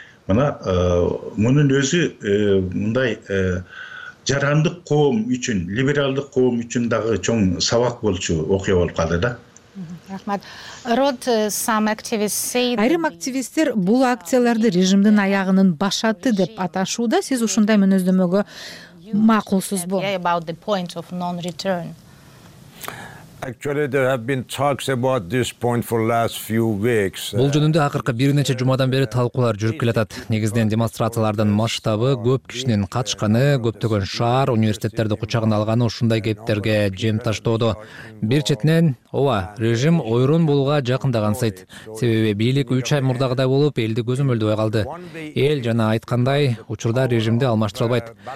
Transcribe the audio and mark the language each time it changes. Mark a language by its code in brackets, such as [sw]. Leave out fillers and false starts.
[ky] Мына мунун өзү мындай жарандык коом үчүн, либералдык коом үчүн дагы чоң сабак болчу окуя болуп калды да. Айрым активисттер бул акцияларды режимдин аягынын башаты деп аташууда. Сиз ушундай мүнөздөмөгө макулсузбу? [en] Actually, there have been talks about this point for last few weeks. [ky] Бул жөнүндө акыркы бир нече жумадан бери талкуулар жүрүп келатат. Негизинен демонстрациялардын масштабы, көп кишинин катышканы, көптөгөн шаар университеттерди кучагына алганы ушундай кептерге жем таштоодо. Бир четинен, ооба, режим ойрон болууга жакындагансыйт. Себеби бийлик 3 ай мурдагыдай болуп, элди көзөмөлдөбөй калды. Эл жана айткандай, учурда режимди алмаштыра албайт.